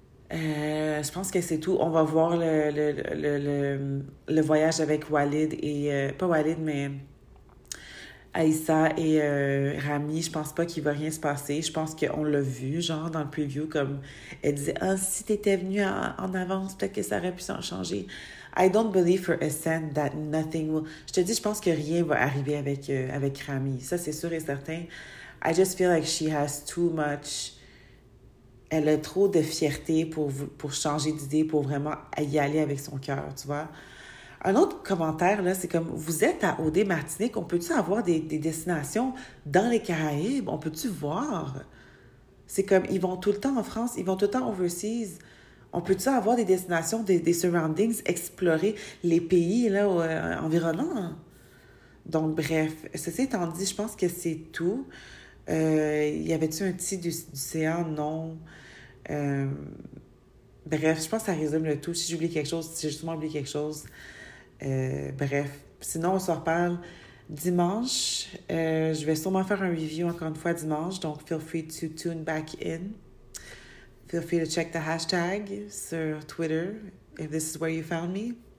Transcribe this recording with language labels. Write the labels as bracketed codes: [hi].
[fr] Je pense que c'est tout. On va voir le voyage avec Walid et... pas Walid, mais... Aïssa et Rami, je pense pas qu'il va rien se passer. Je pense qu'on l'a vu, genre, dans le preview, comme elle disait, ah, si t'étais venue en avance, peut-être que ça aurait pu s'en changer. [en] I don't believe for a cent that nothing will... [fr] Je te dis, je pense que rien va arriver avec Rami. Ça, c'est sûr et certain. [en] I just feel like she has too much... [fr] Elle a trop de fierté pour changer d'idée, pour vraiment y aller avec son cœur, tu vois. Un autre commentaire, là, c'est comme, vous êtes à OD Martinique, on peut-tu avoir des destinations dans les Caraïbes? On peut-tu voir? C'est comme, ils vont tout le temps en France, ils vont tout le temps overseas. On peut-tu avoir des destinations, des surroundings, explorer les pays là, environnants? Donc, bref, ceci étant dit, je pense que c'est tout. Y avait-tu un titre du CA? Non. Bref, je pense que ça résume le tout. Si j'oublie quelque chose, si j'ai justement oublié quelque chose... bref, sinon on se reparle dimanche. Je vais sûrement faire un review encore une fois dimanche, donc [en] feel free to tune back in. Feel free to check the hashtag [fr] sur Twitter [en] if this is where you found me.